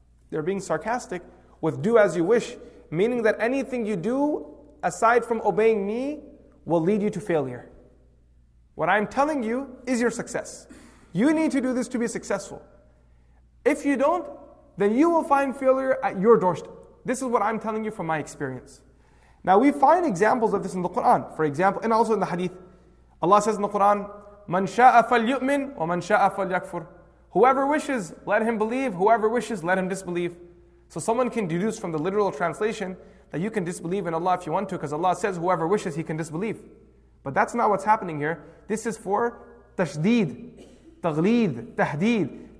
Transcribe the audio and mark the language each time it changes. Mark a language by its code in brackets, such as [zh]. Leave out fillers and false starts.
[en] They're being sarcastic with do as you wish, meaning that anything you do aside from obeying me will lead you to failure. What I'm telling you is your success. You need to do this to be successful. If you don't, then you will find failure at your doorstep. This is what I'm telling you from my experience. Now we find examples of this in the Quran, for example, and also in the hadith. Allah says in the Quran, [ar] مَنْ شَاءَ فَلْيُؤْمِنْ وَمَنْ شَاءَ فَلْيَكْفُرْ. [en] Whoever wishes, let him believe. Whoever wishes, let him disbelieve. So someone can deduce from the literal translation that you can disbelieve in Allah if you want to, because Allah says whoever wishes, he can disbelieve. But that's not what's happening here. This is for tashdeed, taghleed, tahdeed.